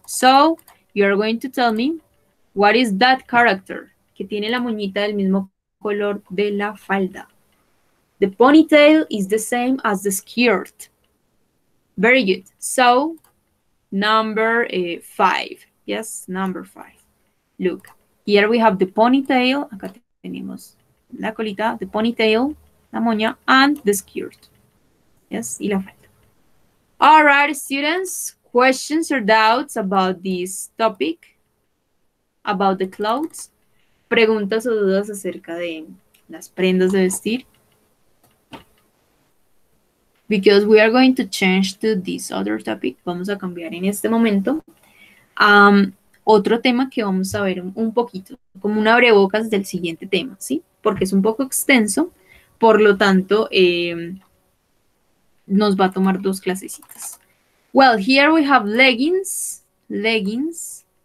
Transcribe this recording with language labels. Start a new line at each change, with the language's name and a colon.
English: So, you're going to tell me, what is that character?
Spanish: Que tiene la moñita del mismo color de la falda.
English: The ponytail is the same as the skirt. Very good. So, number five. Yes, number five. Look, here we have the ponytail.
Spanish: Acá tenemos la colita,
English: the ponytail,
Spanish: la moña,
English: and the skirt. Yes,
Spanish: y la falda.
English: All right, students, questions or doubts about this topic, about the clothes?
Spanish: ¿Preguntas o dudas acerca de las prendas de vestir?
English: Because we are going to change to this other topic.
Spanish: Vamos a cambiar en este momento. Otro tema que vamos a ver un poquito, como un abrebocas del siguiente tema, ¿sí? Porque es un poco extenso, por lo tanto, nos va a tomar dos clasecitas.
English: Well, here we have leggings. Leggings.